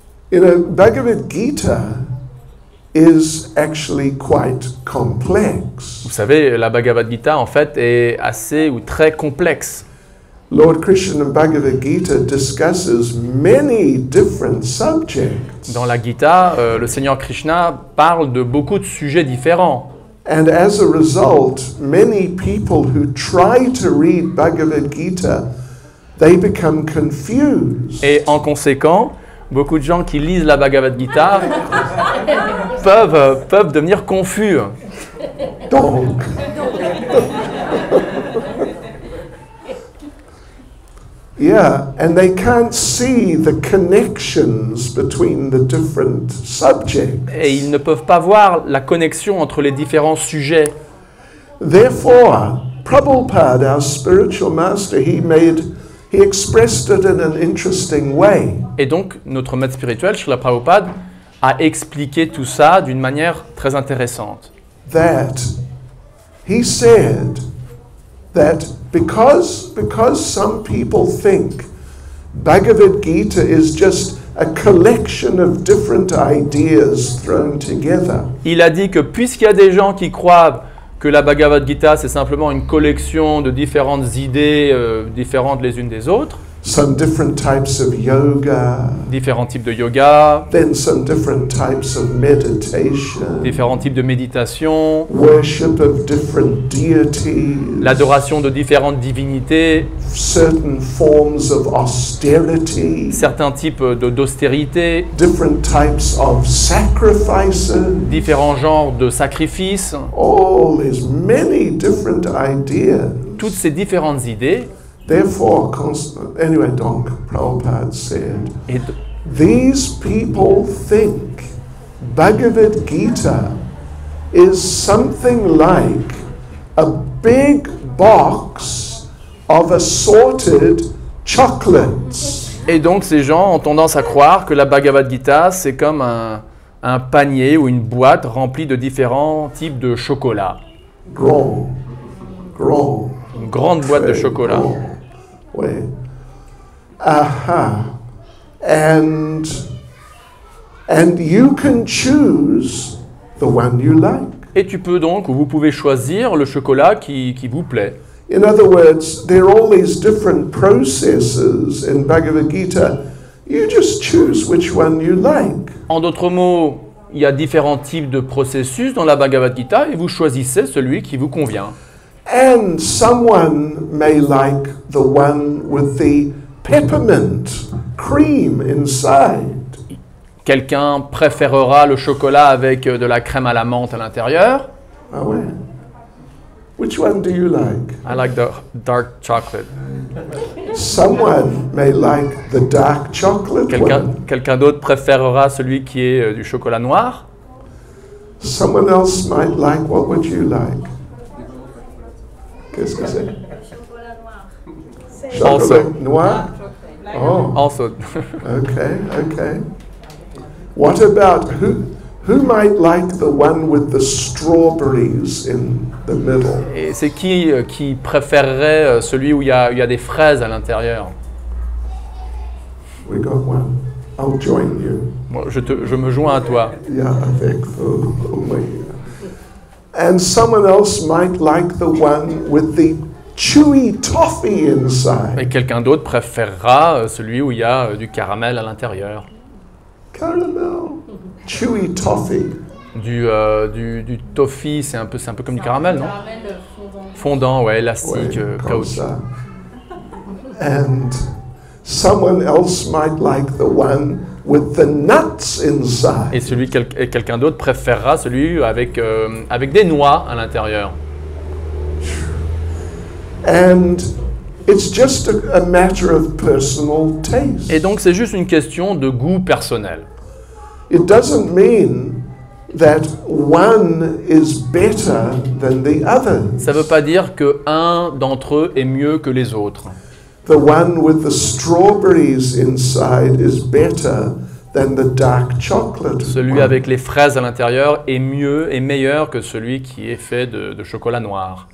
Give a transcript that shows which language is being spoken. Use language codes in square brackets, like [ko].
[en] You know, Bhagavad Gita is actually quite complex. [fr] Vous savez, la Bhagavad Gita en fait est assez ou très complexe. [en] Lord Krishna's Bhagavad Gita discusses many different subjects. [fr] Dans la Gita, le Seigneur Krishna parle de beaucoup de sujets différents. [en] And as a result, many people who try to read Bhagavad Gita, they become confused. [fr] Et en conséquent, beaucoup de gens qui lisent la Bhagavad Gita peuvent devenir confus. Donc. [en] Yeah, and they can't see the connections between the different subjects. [fr] Et ils ne peuvent pas voir la connexion entre les différents sujets. [en] Therefore, Prabhupada, our spiritual master, he expressed it in an interesting way. [fr] Et donc notre maître spirituel Srila Prabhupada a expliqué tout ça d'une manière très intéressante. [en] That he said that because some people think Bhagavad Gita is just a collection of different ideas thrown together. [fr] Il a dit que puisqu'il y a des gens qui croient que la Bhagavad Gita c'est simplement une collection de différentes idées différentes les unes des autres. [en] Some different types of yoga. [fr] Différents types de yoga. [en] Then some different types of meditation. [fr] Différents types de méditation. [en] Worship of different deities. [fr] L'adoration de différentes divinités. [en] Certain forms of austerity. [fr] Certains types d'austérité. [en] Different types of sacrifices. [fr] Différents genres de sacrifices. [en] All these many different ideas. [fr] Toutes ces différentes idées. [en] Therefore, anyway, donc, Prabhupada said, these people think Bhagavad Gita is something like a big box of assorted chocolates. [fr] Et donc, ces gens ont tendance à croire que la Bhagavad Gita, c'est comme un panier ou une boîte remplie de différents types de chocolat. Grand, grand. Une grande boîte de chocolat. Grand. Way. Aha. [en] And you can choose the one you like. [fr] Et tu peux donc, ou vous pouvez choisir le chocolat qui vous plaît. [en] In other words, there are all these different processes in Bhagavad Gita. You just choose which one you like. [fr] En d'autres mots, il y a différents types de processus dans la Bhagavad Gita et vous choisissez celui qui vous convient. [en] And someone may like the one with the peppermint cream inside. [fr] Quelqu'un préférera le chocolat avec de la crème à la menthe à l'intérieur. Ah ouais. [en] Which one do you like? I like the dark chocolate. Someone may like the dark chocolate. [fr] Quelqu'un d'autre préférera celui qui est du chocolat noir. [en] Someone else might like, what would you like? [fr] Qu'est-ce que c'est? Chocolat noir. [en] Also. Oh. Okay. What about who might like the one with the strawberries in the middle? [fr] Et c'est qui préférerait celui où il y a des fraises à l'intérieur? [en] We got one. I'll join you. [fr] Moi, je me joins à toi. Yeah, avec oui. [en] And someone else might like the one with the chewy toffee inside. [fr] Et quelqu'un d'autre préférera celui où il y a du caramel à l'intérieur. [en] Caramel, chewy toffee. [fr] Du toffee, c'est un peu comme du caramel, non? Caramel fondant. Fondant, ouais, élastique, caoutchouc. [en] And Someone else might like the one with the nuts inside. [fr] Et celui quelqu'un d'autre préférera celui avec des noix à l'intérieur. [en] And it's just a matter of personal taste. [fr] Et donc c'est juste une question de goût personnel. [en] It doesn't mean that one is better than the other. [fr] Ça veut pas dire que un d'entre eux est mieux que les autres. [en] The one with the strawberries inside is better than the dark chocolate. [fr] Celui avec les fraises à l'intérieur est mieux et meilleur que celui qui est fait de chocolat noir.